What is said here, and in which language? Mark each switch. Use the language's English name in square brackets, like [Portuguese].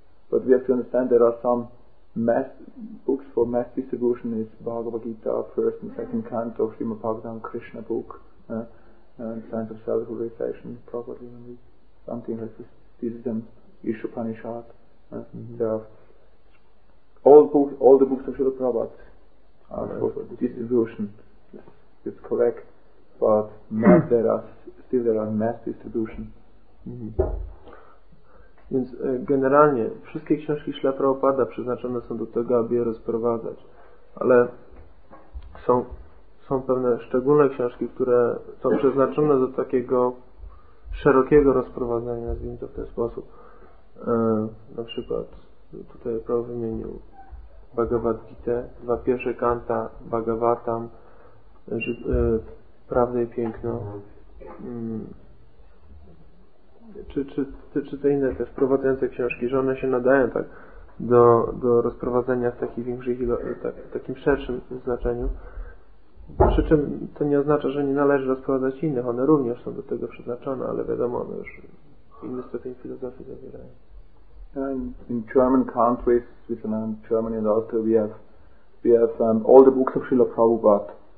[English] But we have to understand there are some mass books for mass distribution, is Bhagavad Gita, first and second canto, Srimad Bhagavatam, Krishna book, Signs of Self-Realization, probably something like this. This is an Ishupanishad. All the books of Srila Prabhupada are for distribution. Yes. It's correct, but there are mass distribution. [Polish] Więc generalnie wszystkie książki Srila Prabhupada przeznaczone są do tego, aby je rozprowadzać, ale są pewne szczególne książki, które są przeznaczone do takiego szerokiego rozprowadzenia, nazwijmy to w ten sposób. Na przykład tutaj prawo wymienił Bhagavad Gita, dwa pierwsze kanta Bhagavatam, Prawda i Piękno, czy te inne, te wprowadzające książki, że one się nadają tak do rozprowadzenia w takich większych takim szerszym znaczeniu. Przy czym to nie oznacza, że nie należy rozprowadzać innych, one również są do tego przeznaczone, ale wiadomo, one już inny stopień filozofii zawierają. [English] In German countries, Switzerland, Germany and also we have all the books of Srila Prabhupada.